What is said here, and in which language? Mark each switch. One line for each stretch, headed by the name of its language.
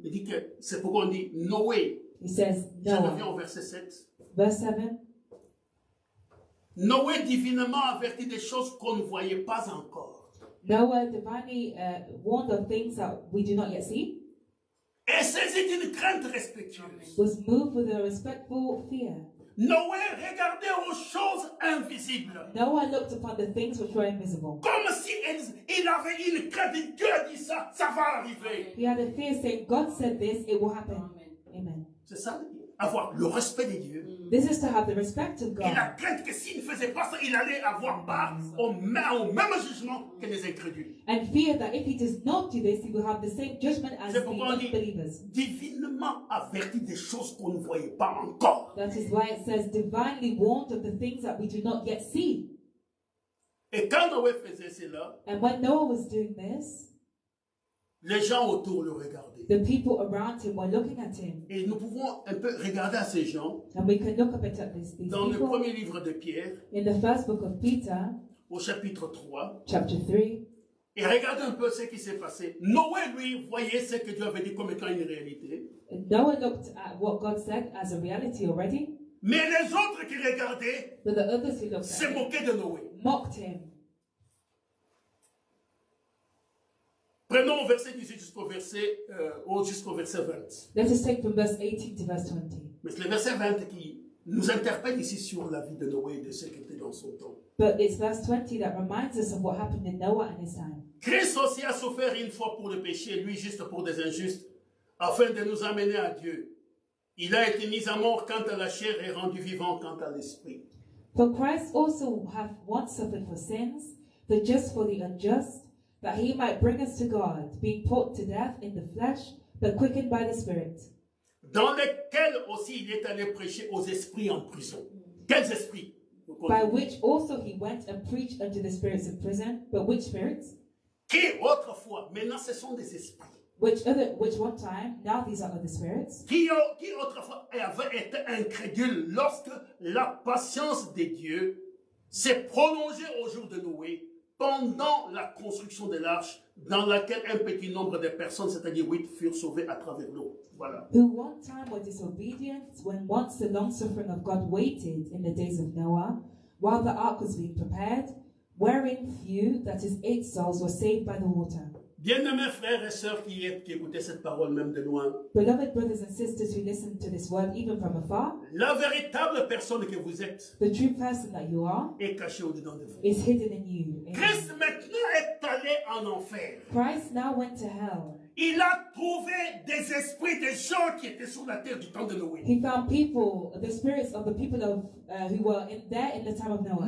French: Il dit que c'est pourquoi on dit Noé.
English: He says Noah.
French: Je reviens au verset 7.
English: Verse 7.
French: Noé divinement averti des choses qu'on ne voyait pas encore.
English: Noah divinely warned of things that we do not yet see.
French: Et saisit une crainte respectueuse.
English: Was moved with a respectful fear.
French: Noé regardait aux choses invisibles.
English: Noah looked upon the things which were invisible.
French: Comme si il avait une crainte, Dieu dit ça, ça va arriver.
English: He had a fear saying, God said this, it will happen. Amen. Amen.
French: C'est ça, avoir le respect de Dieu.
English: This is to have the respect of God.
French: Et la crainte que s'il ne faisait pas ça, il allait avoir part au même jugement que les incrédules.
English: And fear that if he does not do this, he will have the same judgment as the unbelievers.
French: Divinement averti des choses qu'on ne voyait pas encore.
English: That is why it says divinely warned of the things that we do not yet see.
French: Et quand Noé faisait cela,
English: and when Noah was doing this,
French: les gens autour le regardaient.
English: The people around him were looking at him.
French: Et nous pouvons un peu regarder à ces gens.
English: And we can look a bit at these
French: dans
English: people.
French: Le premier livre de Pierre.
English: In the first book of Peter.
French: Au chapitre 3.
English: Chapter 3.
French: Et regardez un peu ce qui s'est passé. Noé, lui, voyait ce que Dieu avait dit comme étant une réalité.
English: And Noah looked at what God said as a reality already.
French: Mais les autres qui regardaient.
English: But the others who looked at
French: se moquaient de Noé.
English: Mocked him.
French: Prenons au verset 18 jusqu'au verset 20.
English: Let us take from verse 18 to verse 20.
French: Mais c'est le verset 20 qui nous interpelle ici sur la vie de Noé et de ce qui était dans son temps.
English: But it's verse 20 that reminds us of what happened in Noah and his time.
French: Christ aussi a souffert une fois pour le péché, lui juste pour des injustes, afin de nous amener à Dieu. Il a été mis à mort quant à la chair et rendu vivant quant à l'esprit.
English: For Christ also hath once suffered for sins, the just for the unjust, that he might bring us to God, being put to death in the flesh, but quickened by the Spirit.
French: Dans lesquels aussi il est allé prêcher aux esprits en prison. Quels esprits?
English: By which also he went and preached unto the spirits of prison. But which spirits?
French: Qui autrefois? Maintenant ce sont des esprits.
English: Which one time? Now these are other spirits.
French: Qui autrefois avait été incrédule lorsque la patience de Dieu s'est prolongée au jour de Noé, pendant la construction de l'arche, dans laquelle un petit nombre de personnes, c'est-à-dire 8, furent sauvées à travers l'eau. Voilà.
English: Who one time were disobedient, when once the long-suffering of God waited in the days of Noah, while the ark was being prepared, wherein few, that is 8 souls, were saved by the water.
French: Bien-aimés frères et sœurs qui écoutaient cette parole même de loin.
English: Beloved brothers and sisters who listen to this word even from afar.
French: La véritable personne que vous êtes.
English: The true person that you are.
French: Est cachée au-dedans de vous.
English: Is hidden in you.
French: Christ maintenant est allé en enfer.
English: Christ now went to hell.
French: Il a trouvé des esprits, des gens qui étaient sur la terre du temps de Noé.
English: He found people, the spirits of the people of who were in, there in the time of Noah.